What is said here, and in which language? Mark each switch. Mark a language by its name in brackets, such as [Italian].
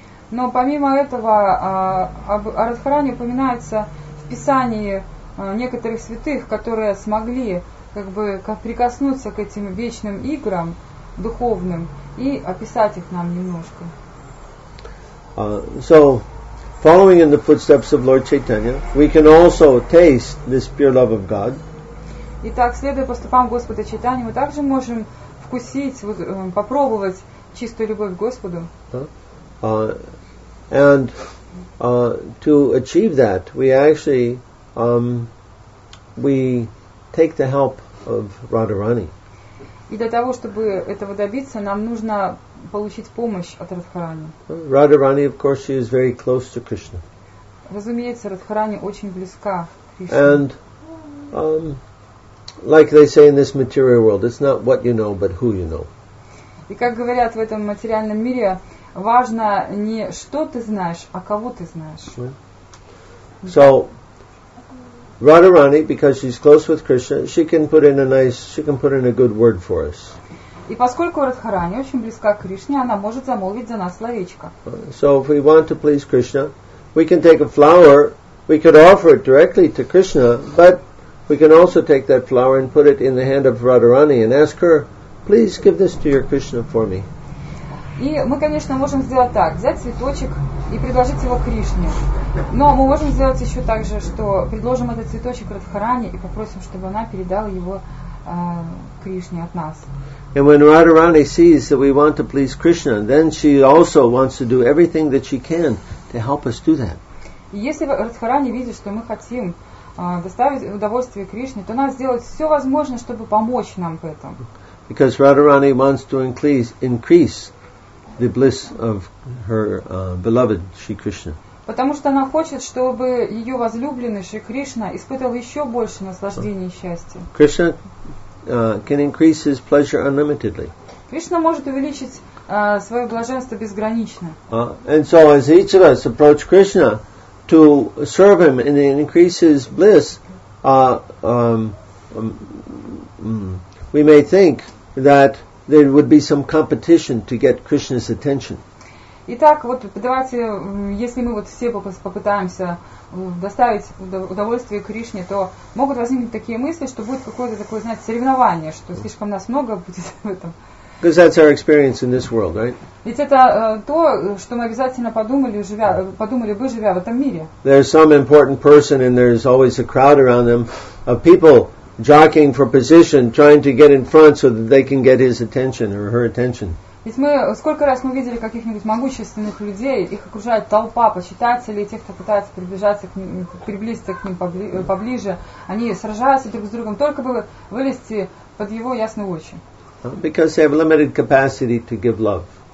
[Russian] Но помимо этого, о Радхарани упоминается в писании некоторых святых, которые смогли как бы прикоснуться к этим вечным играм духовным и описать их нам немножко. [English] So, following in the footsteps of Lord Chaitanya, we can also taste this pure love of God. [Russian] Итак, следуя по стопам Господа Чайтаньи, мы также можем вкусить, попробовать чистую любовь к Господу. [English] To achieve that, we actually we take the help of Radharani. [Russian] И для того, чтобы этого добиться, нам нужно получить помощь от Радхарани. [English] Radharani, of course, she is very close to Krishna. [Russian] Разумеется, Радхарани очень близка к Кришне. [English] And like they say in this material world, it's not what you know, but who you know. [Russian] И как говорят в этом материальном мире, важно не что ты знаешь, а кого ты знаешь. [English] Right. So Radharani, because she's close with Krishna, she can put in a good word for us. [Russian] И поскольку Радхарани очень близка к Кришне, она может замолвить за нас словечко. [English] So if we want to please Krishna, we can take a flower We could offer it directly to Krishna, but we can also take that flower and put it in the hand of Radharani and ask her, please give this to your Krishna for me. [Russian] И мы, конечно, можем сделать так, взять цветочек и предложить его Кришне. Но мы можем сделать еще так же, что предложим этот цветочек Радхарани и попросим, чтобы она передала его Кришне от нас. [English] And when Radharani sees that we want to please Krishna, then she also wants to do everything that she can to help us do that. [Russian] Если Радхарани видит, что мы хотим доставить удовольствие Кришне, то она сделает все возможное, чтобы помочь нам в этом. [English] Because Radharani wants to increase the bliss of her beloved Shri Krishna. [Russian] Потому что она хочет, чтобы ее возлюбленный Шри Кришна испытывал еще больше наслаждения и счастья. [English] Krishna can increase his pleasure unlimitedly. [Russian] Кришна может увеличить свое блаженство безгранично. [English] And so as each of us approach Krishna to serve him and increase his bliss, we may think that there would be some competition to get Krishna's attention. [Russian] Итак, вот давайте, если мы вот все попытаемся доставить удовольствие Кришне, то могут возникнуть такие мысли, что будет какое-то такое, знаете, соревнование, что слишком нас много будет в этом. [English] Because that's our experience in this world, right? [Russian] Ведь это то, что мы обязательно подумали бы, живя в этом мире. [English] There's some important person and there's always a crowd around them of people jockeying for position, trying to get in front so that they can get his attention or her attention. [Russian] Ведь мы, сколько раз мы видели каких-нибудь могущественных людей, их окружает толпа почитателей, тех, кто пытается приблизиться к ним поближе, они сражаются друг с другом, только бы вылезти под его ясные очи. [English] Because they have limited capacity to give love.